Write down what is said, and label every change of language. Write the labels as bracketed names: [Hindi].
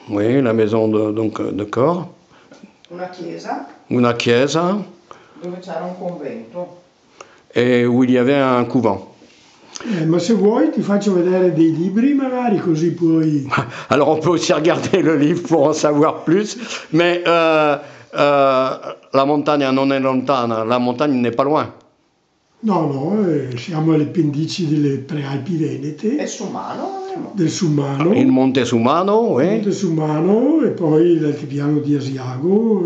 [French] Oui, la maison de, donc de corps. [Italian] Una chiesa dove c'era un convento [French] e où il y avait un couvent. [Italian] Ma se vuoi ti faccio vedere dei libri, magari così puoi... [French] Alors on peut aussi regarder le livre pour en savoir plus, mais [Italian] la montagna non è lontana, [French] la montagna n'est pas loin. [Italian] No, siamo alle pendici delle Prealpi Venete. E Sumano? Del Sumano. Il Monte Sumano, eh? Monte Sumano e poi l'altipiano di Asiago.